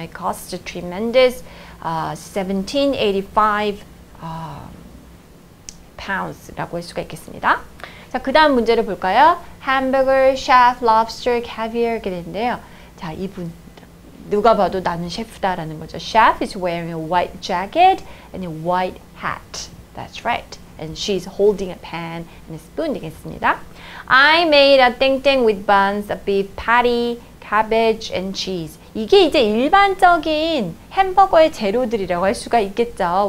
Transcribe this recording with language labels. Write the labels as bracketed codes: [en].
[en] It costs a tremendous 1785 pounds [ko] 라고 할 수가 있겠습니다. 자, 그 다음 문제를 볼까요? [en] Hamburger, chef, lobster, caviar [ko] 이렇게 되는데요. 자, 이분 누가 봐도 나는 셰프다라는 거죠. [en] Chef is wearing a white jacket and a white hat. That's right. And she's holding a pan and a spoon [ko] 되겠습니다. [en] I made a ting-ting with buns, a beef patty, cabbage, and cheese. [ko] 이게 이제 일반적인 햄버거의 재료들이라고 할 수가 있겠죠.